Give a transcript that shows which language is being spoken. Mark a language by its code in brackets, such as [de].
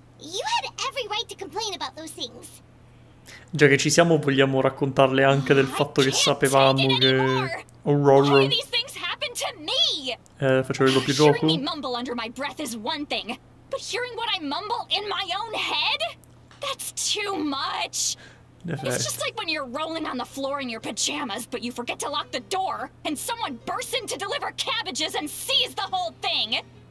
[en] You had every right to complain about those things. [it] Già che ci siamo, vogliamo raccontarle anche del fatto che sapevamo che. [en] Why do these things happen to me? [it] Faccio il doppio gioco. [en] Hearing me mumble under my breath is one thing, but hearing what I mumble in my own head? That's too much! It's just like when you're rolling on the floor in your pajamas, but you forget to lock the door, and someone bursts in to deliver cabbages and sees the whole thing!